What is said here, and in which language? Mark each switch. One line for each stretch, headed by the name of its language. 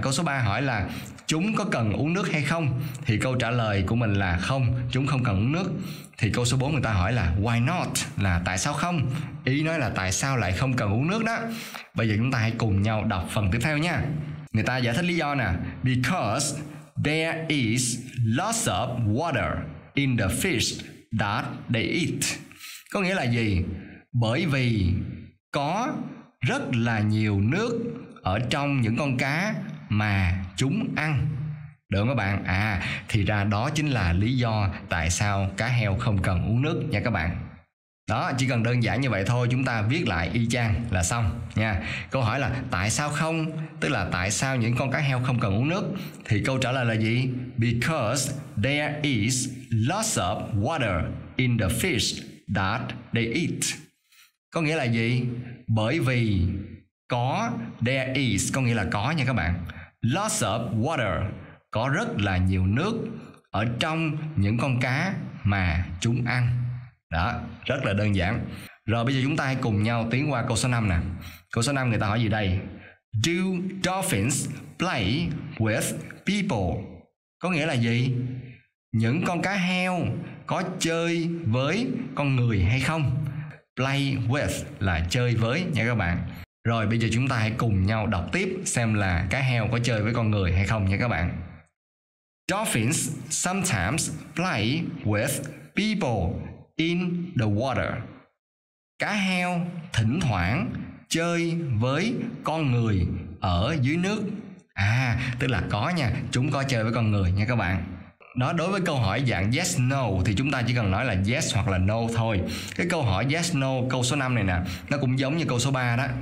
Vietnamese: Câu số 3 hỏi là chúng có cần uống nước hay không? Thì câu trả lời của mình là không, chúng không cần uống nước. Thì câu số 4 người ta hỏi là
English: why not?
Vietnamese: Là tại sao không? Ý nói là tại sao lại không cần uống nước đó. Bây giờ chúng ta hãy cùng nhau đọc phần tiếp theo nha. Người ta giải thích lý do nè.
English: Because there is lots of water in the fish that they eat.
Vietnamese: Có nghĩa là gì? Bởi vì có rất là nhiều nước ở trong những con cá mà chúng ăn. Được không các bạn? À, thì ra đó chính là lý do tại sao cá heo không cần uống nước nha các bạn. Đó, chỉ cần đơn giản như vậy thôi, chúng ta viết lại y chang là xong nha. Câu hỏi là tại sao không? Tức là tại sao những con cá heo không cần uống nước? Thì câu trả lời là gì?
English: Because there is lots of water in the fish that they eat.
Vietnamese: Có nghĩa là gì? Bởi vì có,
English: there is,
Vietnamese: có nghĩa là có nha các bạn.
English: Lots of water,
Vietnamese: có rất là nhiều nước ở trong những con cá mà chúng ăn. Đó, rất là đơn giản. Rồi bây giờ chúng ta hãy cùng nhau tiến qua câu số 5 nè. Câu số 5 người ta hỏi gì đây?
English: Do dolphins play with people?
Vietnamese: Có nghĩa là gì? Những con cá heo có chơi với con người hay không?
English: Play with
Vietnamese: là chơi với nha các bạn. Rồi bây giờ chúng ta hãy cùng nhau đọc tiếp xem là cá heo có chơi với con người hay không nha các bạn.
English: Dolphins sometimes play with people in the water.
Vietnamese: Cá heo thỉnh thoảng chơi với con người ở dưới nước. À, tức là có nha, chúng có chơi với con người nha các bạn. Đó, đối với câu hỏi dạng yes, no thì chúng ta chỉ cần nói là yes hoặc là no thôi. Cái câu hỏi yes, no, câu số 5 này nè, nó cũng giống như câu số 3 đó.